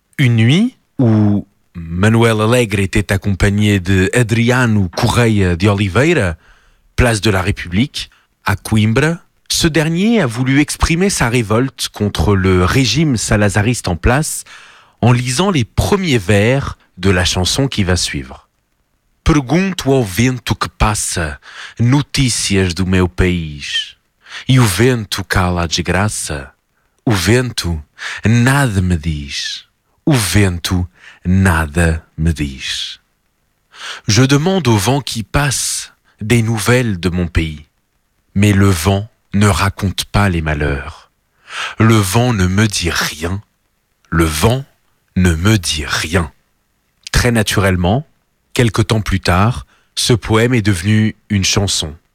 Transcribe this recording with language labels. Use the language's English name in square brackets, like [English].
[French] Une nuit où Manuel Alegre était accompagné de Adriano Correia de Oliveira, place de la République, à Coimbra, ce dernier a voulu exprimer sa révolte contre le régime salazariste en place en lisant les premiers vers de la chanson qui va suivre. [Portuguese] Pergunto ao vento que passa, notícias do meu país. E o vento cala a desgraça, o vento nada me diz. O vento nada me diz. [French] Je demande au vent qui passe des nouvelles de mon pays. Mais le vent ne raconte pas les malheurs. Le vent ne me dit rien. Le vent ne me dit rien. Très naturellement, quelque temps plus tard, ce poème est devenu une chanson.